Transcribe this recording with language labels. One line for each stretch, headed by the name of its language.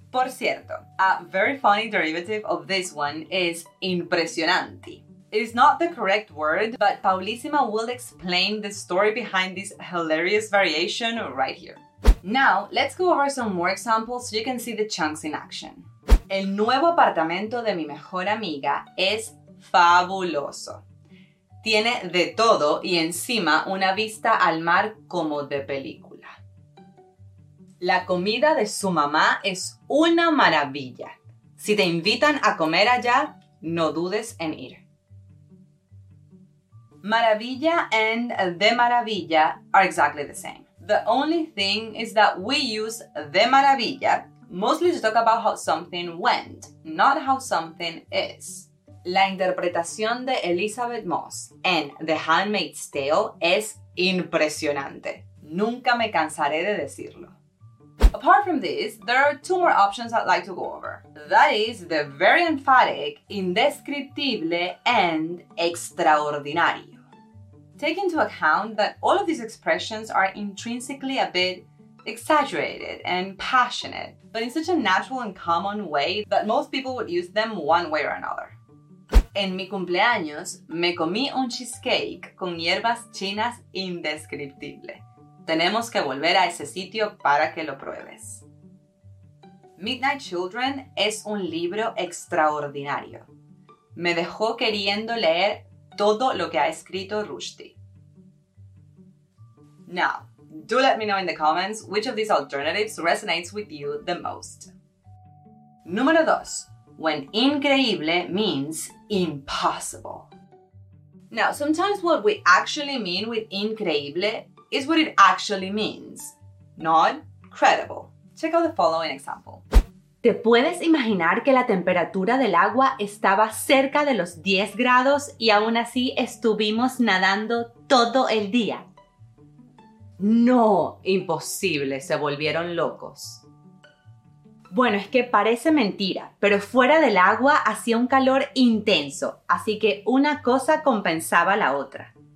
Spanish: Por cierto,
English: a very funny derivative of this one is impresionante. It is not the correct word, but Paulissima will explain the story behind this hilarious variation right here. Now, let's go over some more examples so you can see the chunks in action.
Spanish: El nuevo apartamento de mi mejor amiga es fabuloso. Tiene de todo y encima una vista al mar como de película. La comida de su mamá es una maravilla. Si te invitan a comer allá, no dudes en ir.
English: Maravilla and de maravilla are exactly the same. The only thing is that we use de maravilla mostly to talk about how something went, not how something is.
Spanish: La interpretación de Elizabeth Moss en The Handmaid's Tale es impresionante. Nunca me cansaré de decirlo.
English: Apart from this, there are 2 more options I'd like to go over. That is the very emphatic, indescriptible, and extraordinario. Take into account that all of these expressions are intrinsically a bit exaggerated and passionate, but in such a natural and common way that most people would use them one way or another.
Spanish: En mi cumpleaños, me comí un cheesecake con hierbas chinas indescriptible. Tenemos que volver a ese sitio para que lo pruebes. Midnight Children es un libro extraordinario. Me dejó queriendo leer todo lo que ha escrito Rushdie.
English: Now, do let me know in the comments which of these alternatives resonates with you the most.
Spanish: Número 2.
English: When increíble means impossible. Now, sometimes what we actually mean with increíble is what it actually means. Not credible. Check out the following example.
Spanish: ¿Te puedes imaginar que la temperatura del agua estaba cerca de los 10 grados y aún así estuvimos nadando todo el día? ¡No! ¡Imposible! Se volvieron locos. Bueno, es que parece mentira, pero fuera del agua hacía un calor intenso, así que una cosa compensaba la otra.